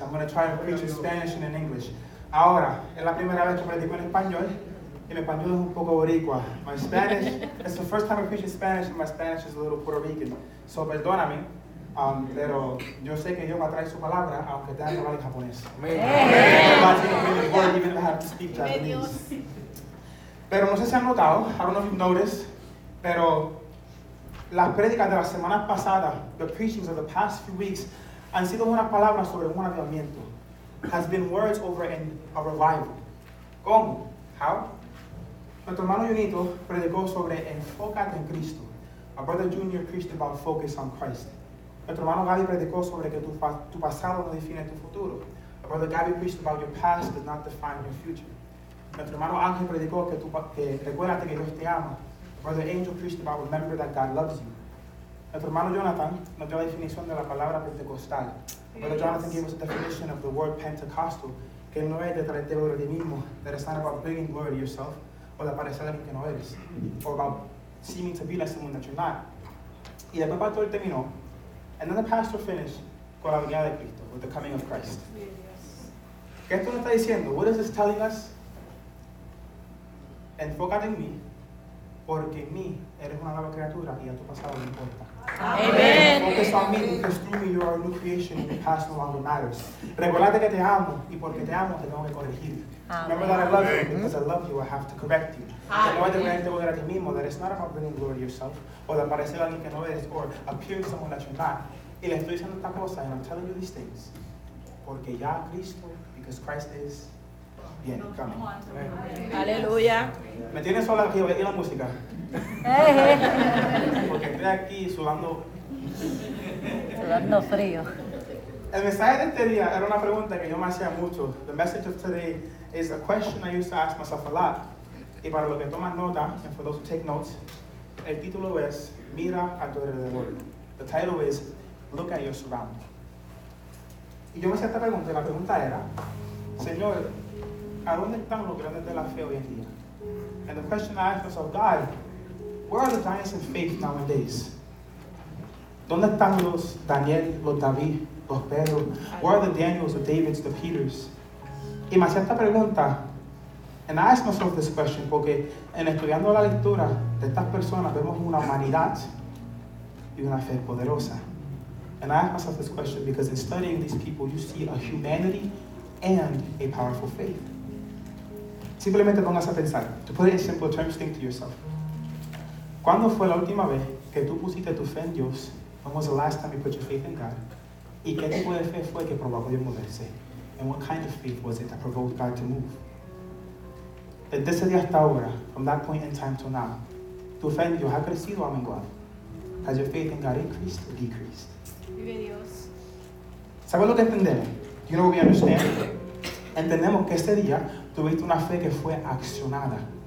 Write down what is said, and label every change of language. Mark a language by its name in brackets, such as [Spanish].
[English] I'm going to try to preach in Spanish and in English. [Spanish] Ahora, es la primera vez que predico en español. Y mi español es un poco boricua. [English] My Spanish, it's the first time I preach in Spanish and my Spanish is a little Puerto Rican. [Spanish] So perdóname. Pero yo sé que Dios va a traer su palabra, aunque tenga que hablar en japonés. Pero no sé si han notado, [English] I don't know if you've noticed, [Spanish] pero las prédicas de la semana pasada, [English] the preachings of the past few weeks, [Spanish] han sido unas palabras sobre un avivamiento. [English] Has been words over in a revival. [Spanish] ¿Cómo? [English] How? [Spanish] Nuestro hermano Junito predicó sobre enfócate en Cristo. [English] Our brother Junior preached about focus on Christ. [Spanish] Nuestro hermano Gaby predicó sobre que tu pasado no define tu futuro. [English] Our brother Gaby preached about your past does not define your future. [Spanish] Nuestro hermano Ángel predicó que recuérdate que Dios te ama. [English] Our brother Angel preached about remember that God loves you. [Spanish] Nuestro hermano Jonathan nos dio la definición de la palabra pentecostal. [English] Our brother Jonathan gave us a definition of the word Pentecostal, [Spanish] que no es de traerte gloria a ti mismo, [English] that it's not about bringing glory to yourself, [Spanish] o de parecer alguien que no eres, [English] or about seeming to be like someone that you're not. [Spanish] Y después pastor terminó, [English] and then the pastor finished [Spanish] con la venida de Cristo, [English] with the coming of Christ. Yes. [Spanish] ¿Qué esto nos está diciendo? [English] What is this telling us? [Spanish] Enfócate en mí, porque en mí eres una nueva criatura y a tu pasado no importa. [English] Amen. Focus on me, because through me you are a new creation and your past no longer matters. [Spanish] Recuerda que te amo, y porque te amo te tengo que corregir. [English] Remember that I love you, because I love you, I have to correct you. [Spanish] No es de creerte a ti mismo, [English] that it's not about bringing glory to yourself, [Spanish] o de parecer a alguien que no eres, [English] or appearing to someone that you're not. [Spanish] Y le estoy diciendo esta cosa, [English] and I'm telling you these things, [Spanish] porque ya Cristo, [English] because Christ is, [Spanish] viene, [English] coming. Amen. [Spanish] Aleluya. ¿Me tienes sola aquí? ¿Y la música? Porque estoy aquí sudando. Sudando frío. El mensaje de este día era una pregunta que yo me hacía mucho. [English] The message of today is a question I used to ask myself a lot. [Spanish] Y para los que toman nota, [English] and for those who take notes, [Spanish] el título es Mira a tu alrededor. [English] The title is Look at your surroundings. [Spanish] Y yo me hacía esta pregunta, y la pregunta era, Señor, ¿a dónde están los grandes de la fe hoy en día? [English] And the question I asked myself, God, where are the giants in faith nowadays? [Spanish] ¿Dónde están los Daniel, los David, los Pedro? [English] Where are the Daniels, the Davids, the Peters? [Spanish] Y me hacía esta pregunta, [English] and I ask myself this question, [Spanish] porque en estudiando la lectura de estas personas vemos una humanidad y una fe poderosa. [English] And I ask myself this question because in studying these people, you see a humanity and a powerful faith. [Spanish] Simplemente pongas a pensar, [English] to put it in simple terms, think to yourself. [Spanish] ¿Cuándo fue la última vez que tú pusiste tu fe en Dios? [English] When was the last time you put your faith in God? [Spanish] ¿Y qué tipo de fe fue que provocó Dios moverse? [English] And what kind of faith was it that provoked God to move? [Spanish] Desde ese día hasta ahora, [English] from that point in time to now, [Spanish] tu fe en Dios ha crecido o menguado? [English] Has your faith in God increased or decreased? [Spanish] Vive Dios. ¿Sabes lo que entendemos? [English] Do you know what we understand? [Spanish] Entendemos que ese día tuviste una fe que fue accionada.